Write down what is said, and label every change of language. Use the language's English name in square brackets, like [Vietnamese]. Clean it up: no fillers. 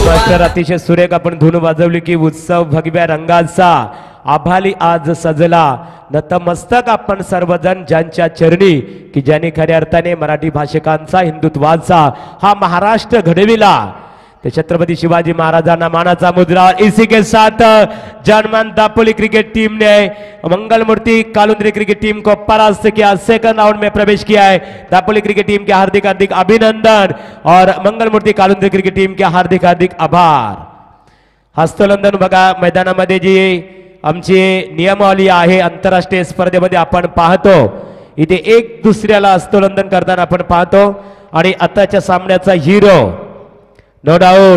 [Marathi] तर अतिशय सुरेख आपण धुन वाजवली की उत्सव भगव्या रंगाचा आभाली आज सजला. नतमस्तक आपण सर्वजण ज्यांच्या चरणी की ज्याने खऱ्या अर्थाने मराठी भाषिकांचा हिंदुत्वाचा हा महाराष्ट्र घडविला ते छत्रपती शिवाजी महाराजांना मानाचा मुद्रा. [Hindi] इसी के साथ जनमन दापोली क्रिकेट टीम ने मंगलमूर्ति कालुंद्री क्रिकेट टीम को परास्त किया. सेकंड राउंड में प्रवेश किया है. दापोली क्रिकेट टीम के हार्दिक हार्दिक अभिनंदन और मंगलमूर्ति कालुंद्री क्रिकेट टीम के हार्दिक हार्दिक आभार. [Marathi] हस्तोलंदन बघा मैदानामध्ये जी आमची नियमावली आहे आंतरराष्ट्रीय स्पर्धेमध्ये आपण पाहतो इथे एक दुसऱ्याला हस्तोलंदन करताना आपण पाहतो आणि आताच्या सामन्याचा हिरो नो डाऊट